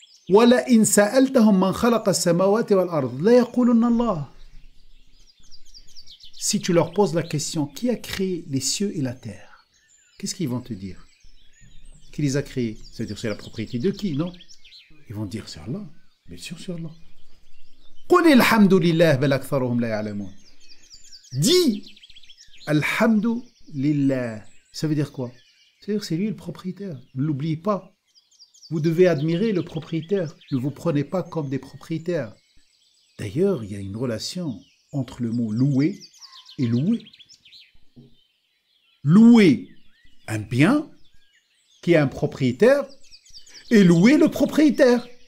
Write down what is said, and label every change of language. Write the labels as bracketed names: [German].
[Arabic] وَلَئِنْ سَأَلْتَهُمْ مَنْ خَلَقَ السَّمَاوَاتِ وَالْأَرْضِ لَيَقُولُنَّ اللَّهِ. [French] Si tu leur poses la question, qui a créé les cieux et la terre? Qu'est-ce qu'ils vont te dire? Qui les a créés? C'est-à-dire, c'est la propriété de qui, non? Ils vont dire, c'est Allah. Bien sûr, c'est Allah. [Arabic] قُلِ الْحَمْدُ لِلَّهِ بَلْ أَكْثَرُهُمْ لَا يَعْلَمُونَ. [French] Dis, [Arabic] الْحَمْدُ لِلَّهِ. [French] Ça veut dire quoi? C'est-à-dire que c'est lui le propriétaire. Ne l'oubliez pas. Vous devez admirer le propriétaire. Ne vous prenez pas comme des propriétaires. D'ailleurs, il y a une relation entre le mot louer et louer. Louer un bien qui a un propriétaire et louer le propriétaire.